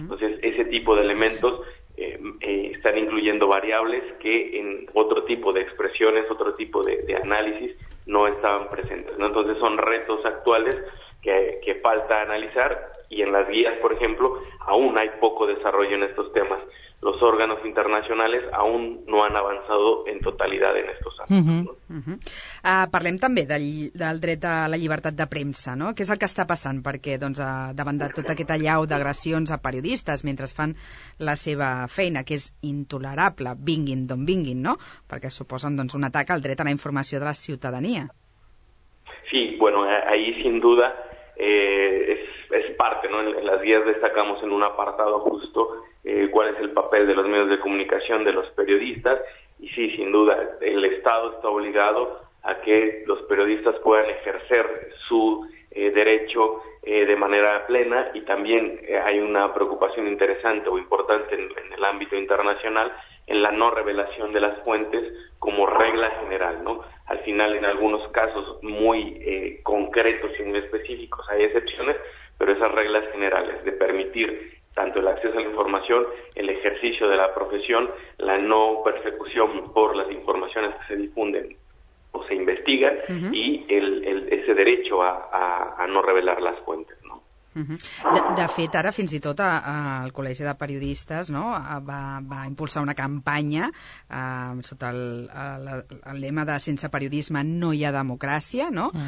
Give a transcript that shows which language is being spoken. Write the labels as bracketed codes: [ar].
[es] Entonces, ese tipo de elementos están incluyendo variables que en otro tipo de expresiones, otro tipo de análisis, no estaban presentes, ¿no? Entonces, son retos actuales que falta analizar, y en las guías, por ejemplo, aún hay poco desarrollo en estos temas. Los órganos internacionales aún no han avanzado en totalidad en estos ámbitos. [ca] Parlem també del dret a la llibertat de premsa, no? Què és el que està passant? Perquè, doncs, davant de tot aquest allau d'agressions a periodistes mentre fan la seva feina, que és intolerable, vinguin d'on vinguin, no? Perquè suposen, doncs, un atac al dret a la informació de la ciutadania. [es] Sí, bueno, ahí sin duda es parte, ¿no? En las guías destacamos en un apartado justo cuál es el papel de los medios de comunicación, de los periodistas, y sí, sin duda, el Estado está obligado a que los periodistas puedan ejercer su derecho de manera plena, y también hay una preocupación interesante o importante en el ámbito internacional en la no revelación de las fuentes como regla general, ¿no? Al final, en algunos casos muy concretos y muy específicos, hay excepciones, pero esas reglas generales de permitir tanto el acceso a la información, el ejercicio de la profesión, la no persecución por las informaciones que se difunden o se investigan, uh-huh, y ese derecho a no revelar las fuentes, ¿no? [ca] De fet, ara fins i tot el Col·legi de Periodistes, no, va impulsar una campanya sota el lema de "Sense periodisme no hi ha democràcia", no?